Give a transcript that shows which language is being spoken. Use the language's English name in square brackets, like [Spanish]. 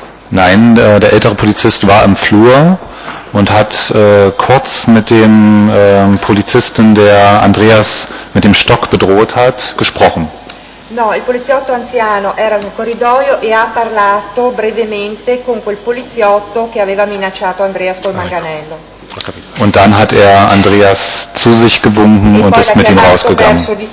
[German] Nein, der ältere Polizist war im Flur und hat kurz mit dem Polizisten, der Andreas mit dem Stock bedroht hat, gesprochen. [Italian] No, il poliziotto anziano era nel corridoio e ha parlato brevemente con quel poliziotto che aveva minacciato Andreas col manganello. [German] Und dann hat er Andreas zu sich gewunken und ist mit ihm rausgegangen.